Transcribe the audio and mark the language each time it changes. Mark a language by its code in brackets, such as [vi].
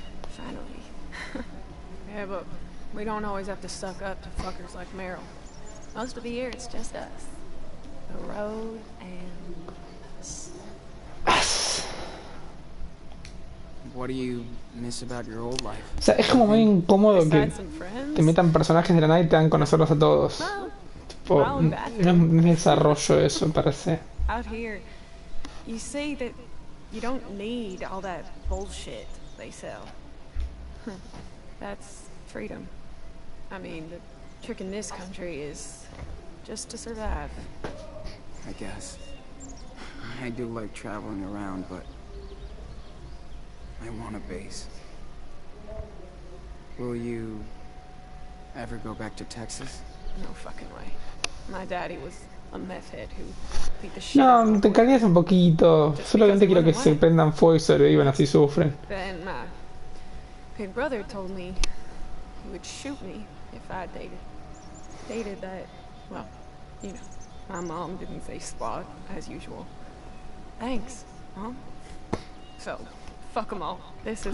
[en] Finally. Yeah, but we don't always have to suck up to fuckers like Meryl. Most of the year, it's just us. The road and us. What do you miss about your old life? [es] O sea, es como muy incómodo que te metan personajes de la nada y te dan conocerlos a todos. Tipo, no es desarrollo eso, parece. [en] Out here, you say that you don't need all that bullshit they sell. That's freedom. I mean, the trick in this country is just to survive. I guess. I do like traveling around, but I want a base. Will you ever go back to Texas? No fucking way. My daddy was a meth head who... [es] No, te calientes un poquito. Solamente quiero que se prendan fuego y sobrevivan, así sufren. [en] Then my big brother told me he would shoot me if I dated that. Well, you know, my mom didn't say squat as usual. Thanks, mom. So, fuck them all. This is.